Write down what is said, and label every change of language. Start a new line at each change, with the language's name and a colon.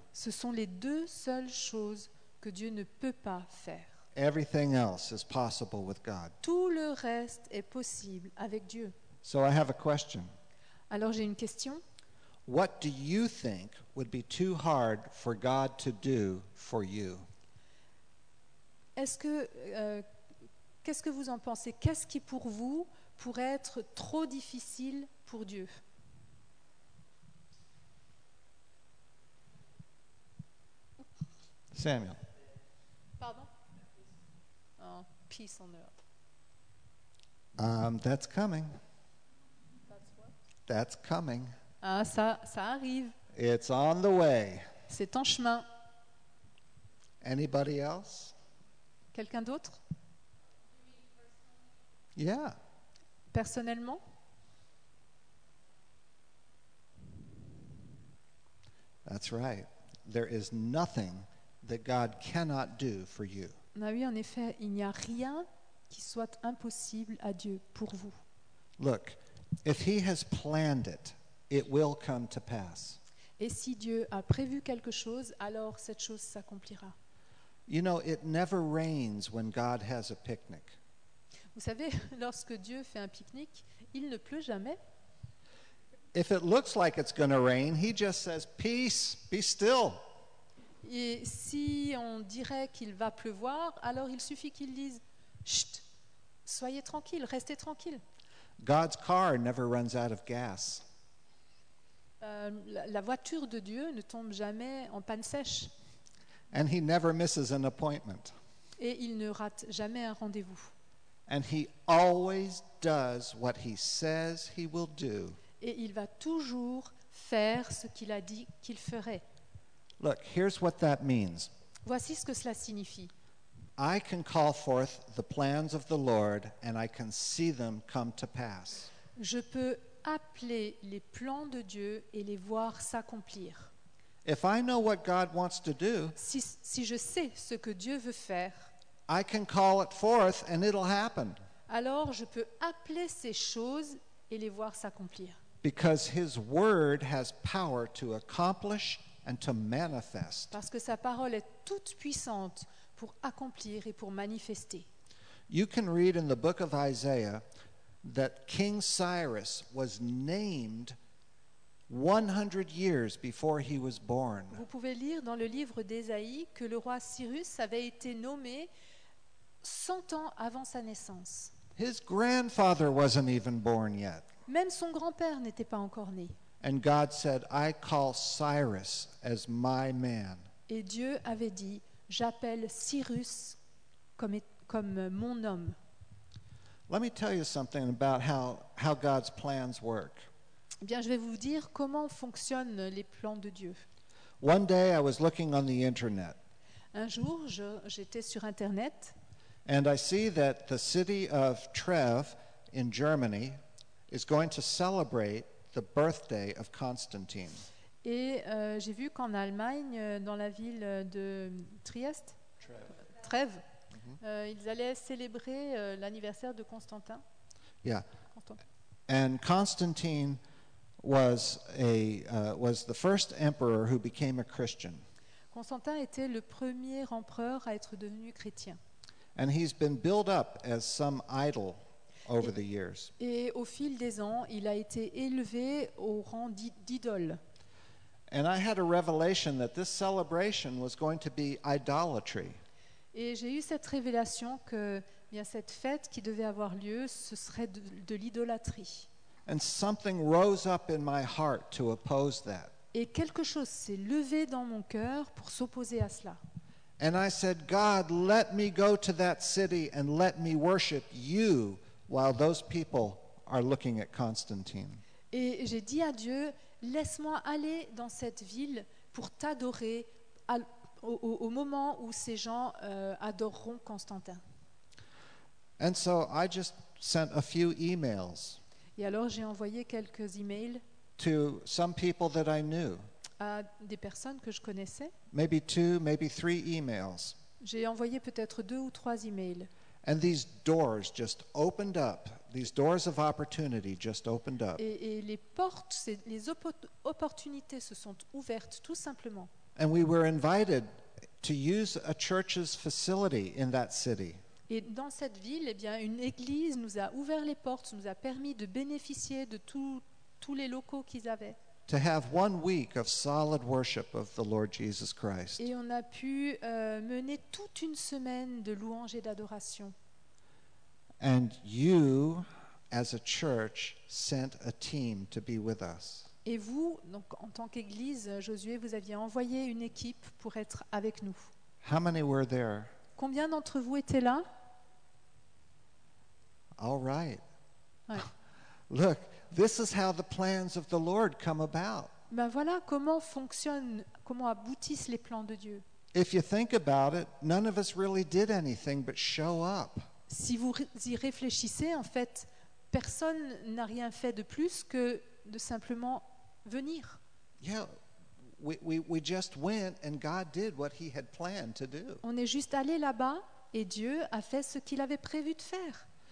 French: Ce sont les deux seules choses que Dieu ne peut pas faire.
English: Everything else is possible with God.
French: Tout le reste est possible avec Dieu.
English: So I have a question.
French: Alors j'ai une question.
English: What do you think would be too hard for God to do for you?
French: Qu'est-ce que vous en pensez? Qu'est-ce qui pour vous pourrait être trop difficile pour Dieu? Samuel.
English: Pardon? Oh, peace on earth. That's coming. That's what? That's coming.
French: Ah, ça arrive.
English: It's on the way.
French: C'est en chemin.
English: Anybody else?
French: Quelqu'un d'autre?
English: Yeah.
French: Personnellement?
English: That's right. There is nothing that God cannot do for you.
French: Ah oui, en effet, il n'y a rien qui soit impossible à Dieu pour vous.
English: Look, if he has planned it, it will come to pass.
French: Et si Dieu a prévu quelque chose, alors cette chose s'accomplira.
English: You know, it never rains when God has a picnic.
French: Vous savez, lorsque Dieu fait un pique-nique, il ne pleut jamais.
English: If it looks like it's going to rain, he just says, "Peace, be still."
French: Et si on dirait qu'il va pleuvoir, alors il suffit qu'il dise, "Chut, soyez tranquille, restez tranquille."
English: God's car never runs out of gas.
French: La voiture de Dieu ne tombe jamais en panne sèche.
English: And he never misses an appointment.
French: Et il ne rate jamais un rendez-vous.
English: And he always does what he says he will do.
French: Et il va toujours faire ce qu'il a dit qu'il ferait.
English: Look, here's what that means.
French: Voici ce que cela signifie.
English: I can call forth the plans of the Lord and I can see them come to pass.
French: Je peux appeler les plans de Dieu et les voir s'accomplir.
English: If I know what God wants to do,
French: si je sais ce que Dieu veut faire,
English: I can call it forth and it'll happen.
French: Alors je peux appeler ces choses et les voir s'accomplir.
English: Because his word has power to accomplish and to manifest.
French: Parce que sa parole est toute puissante pour accomplir et pour manifester.
English: You can read in the book of Isaiah that King Cyrus was named 100 years before he was born.
French: Vous pouvez lire dans le livre d'Ésaïe que le roi Cyrus avait été nommé 100 ans avant sa naissance.
English: His grandfather wasn't even born yet.
French: Même son grand-père n'était pas encore né.
English: And God said, "I call Cyrus as my man."
French: Et Dieu avait dit, "J'appelle Cyrus comme mon homme."
English: Let me tell you something about how God's plans work.
French: Eh bien, je vais vous dire comment fonctionnent les plans de Dieu.
English: One day I was looking on the internet.
French: Un jour, j'étais sur internet.
English: And I see that the city of Treves in Germany is going to celebrate the birthday of Constantine.
French: Et j'ai vu qu'en Allemagne, dans la ville de Trieste, Treves. Ils allaient célébrer l'anniversaire de Constantin.
English: Yeah. And Constantine was the first emperor who became a Christian.
French: Constantin était le premier empereur à être devenu chrétien.
English: And he's been built up as some idol over the years.
French: Et au fil des ans, il a été élevé au rang d'idole.
English: And I had a revelation that this celebration was going to be idolatry.
French: Et j'ai eu cette révélation que bien, cette fête qui devait avoir lieu, ce serait de l'idolâtrie.
English: And something rose up in my heart to oppose that.
French: Et quelque chose s'est levé dans mon cœur pour s'opposer à cela.
English: And I said, "God, let me go to that city and let me worship you while those people are looking at Constantine."
French: Et j'ai dit à Dieu, "Laisse-moi aller dans cette ville pour t'adorer au moment où ces gens adoreront Constantin."
English: And so I just sent a few emails.
French: Et alors j'ai envoyé quelques emails
English: to some people that I knew.
French: À des personnes que je connaissais.
English: Maybe two, maybe three emails.
French: J'ai envoyé peut-être deux ou trois emails.
English: And these doors just opened up. These doors of opportunity just opened up.
French: Et les portes, les opportunités se sont ouvertes tout simplement.
English: And we were invited to use a church's facility in that city.
French: Et dans cette ville, eh bien, une église nous a ouvert les portes, nous a permis de bénéficier de tous les locaux qu'ils avaient.
English: To have 1 week of solid worship of the Lord Jesus Christ.
French: Et on a pu mener toute une semaine de louange et d'adoration.
English: And you, as a church, sent a team to be with us.
French: Et vous, donc en tant qu'église, Josué, vous aviez envoyé une équipe pour être avec nous.
English: How many were there?
French: Combien d'entre vous étaient là?
English: All right.
French: Ouais.
English: Look. This is how the plans of the Lord come about.
French: Ben voilà comment fonctionnent, comment aboutissent les plans de Dieu.
English: If you think about it, none of us really did anything but show up.
French: Si vous y réfléchissez, en fait, personne n'a rien fait de plus que de simplement venir.
English: Yeah, we just went and God did what he had planned to do.
French: On est juste allé là-bas et Dieu a fait ce qu'il avait prévu de faire.